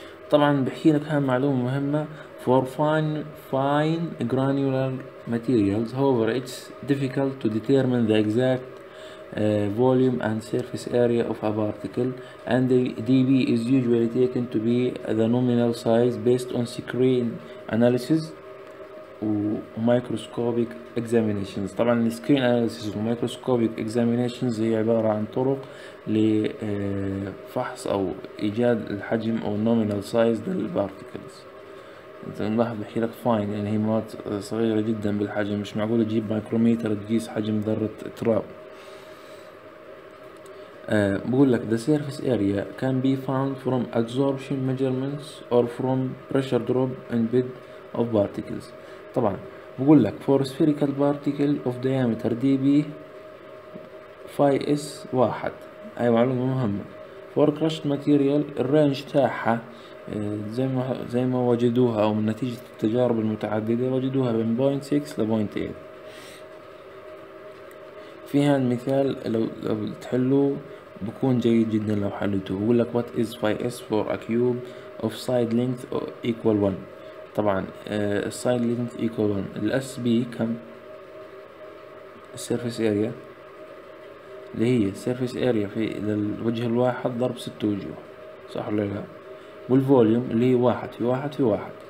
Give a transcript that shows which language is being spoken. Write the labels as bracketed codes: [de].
[ar] طبعا بحكي لك هاي معلومة مهمة: [en] for fine granular materials however it's difficult to determine the exact volume and surface area of a particle and the dB is usually taken to be the nominal size based on screen analysis microscopic examinations. [ar] طبعا ال screen analysis و microscopic examinations هي عبارة عن طرق لفحص او ايجاد الحجم او nominal size للبارتكلز. انت نلاحظ بحكي لك فاين، يعني هي مرات صغيرة جدا بالحجم، مش معقول تجيب مايكروميتر تقيس حجم ذرة تراب. بقول لك [en] the surface area can be found from absorption measurements or from pressure drop and bed of particles. [ar] طبعا بقول لك [en] for spherical particle of diameter dB phi s 1، [ar] هاي معلومة مهمة. [en] for crushed material [ar] الرينج تاعها زي ما وجدوها او من نتيجة التجارب المتعددة وجدوها بين 0.6 ل 0.8. فيها المثال لو تحلوه بكون جيد جدا لو حلته. بقول لك [en] what is phi s for a cube of side length equal 1. [ar] طبعا السايد لينث ايكوال 1، الاس بي كم؟ السيرفيس اريا اللي هي السيرفيس اريا في للوجه الواحد ضرب 6 وجوه، صح ولا لا؟ والفوليوم اللي هي 1 في 1 في 1.